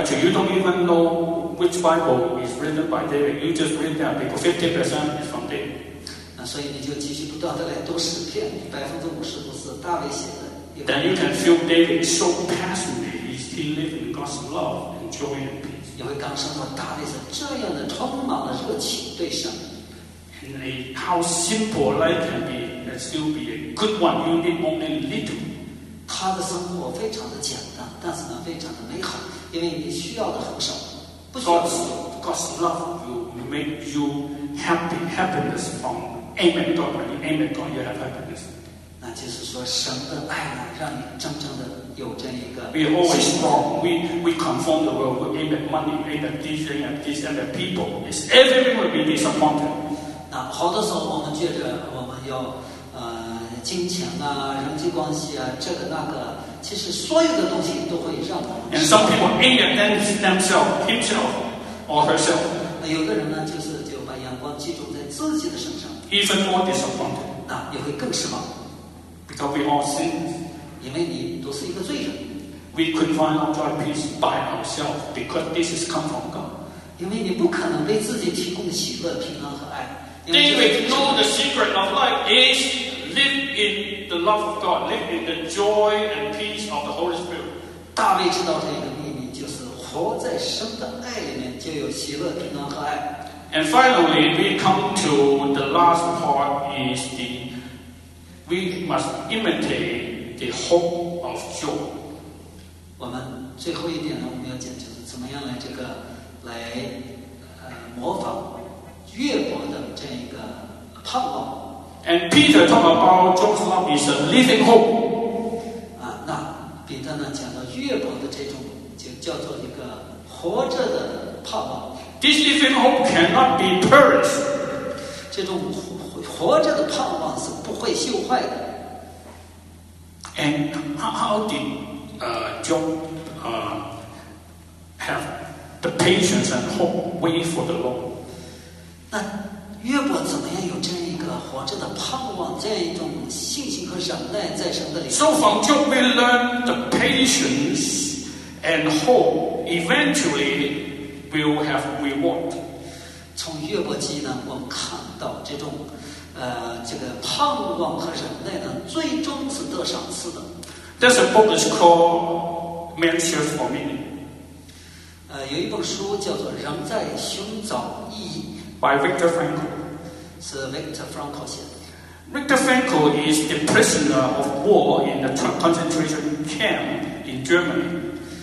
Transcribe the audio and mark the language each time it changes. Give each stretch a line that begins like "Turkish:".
English: Actually, you don't even know which Bible is written by David. You just read that because 50% is from David.
Chinese: 那所以你就继续不断的来读诗篇，50%都是大卫写的。
English: Then you can feel David so passionately. He's still living God's love and joy and peace.
Chinese: 因为刚生活大卫是这样的，充满了热情对神。
English: How simple life can be, and still be a good one. You need only little.
Chinese: 他的生活非常的简单，但是呢，非常的美好，因为你需要的很少，不需要的多。
English: God's love will make you happy. Happiness from Amen God. When you Amen God, you have happiness.
Chinese: 那就是说，神的爱呢，让你真正的有这一个。
English: We are always strong. We conform the world. We aim at money, aim at this, aim at this, and the people. It's everyone will be disappointed.
Chinese: 那好多时候我们觉得我们要金钱啊，人际关系啊，这个那个，其实所有的东西都会让我们。
English: And some people aim at themselves, himself, or herself.
Chinese: 那有的人呢，就把眼光集中在自己的身上。
English: Even more disappointed.
Chinese: 那也会更失望。
English: Because we all sin.
Chinese: 因为你都是一个罪人。
English: We couldn't find our joy peace by ourselves because this is come from God.
Chinese: 因为你不可能为自己提供喜乐、平安和爱。
English: David knew the secret of life is live in the love of God, live in the joy and peace of the Holy Spirit.
Chinese: 大卫知道这个秘密，就是活在神的爱里面，就有喜乐、平安和爱。
English: And finally, we come to the last part is we must imitate the hope of joy.
Chinese: 我们最后一点呢，我们要讲就是怎么样来模仿越过的这一个盼望。
English: And Peter talk about Job's love is a living hope.
Chinese: 啊，那彼得呢讲到越过的这种就叫做一个活着的盼望。
English: This living hope cannot be perished.
Chinese: 这种 活着的盼望是不会锈坏的。
English: And how did Job have the patience and hope waiting for the Lord?
Chinese: 那约伯怎么样有这样一个活着的盼望，这样一种信心和忍耐在神的里面
English: ？So from Job we learn the patience and hope eventually will have reward.
Chinese: 从约伯记呢，我们看到这种。这个盼望和忍耐呢，最终是得赏赐的。
English: There's a book that's called Man's Search for Meaning.
Chinese: 有一本书叫做《人在寻找意义》
English: ，by Viktor Frankl.
Chinese: 是 Viktor Frankl 写的。
English: Viktor Frankl is the prisoner of war in the concentration camp in Germany.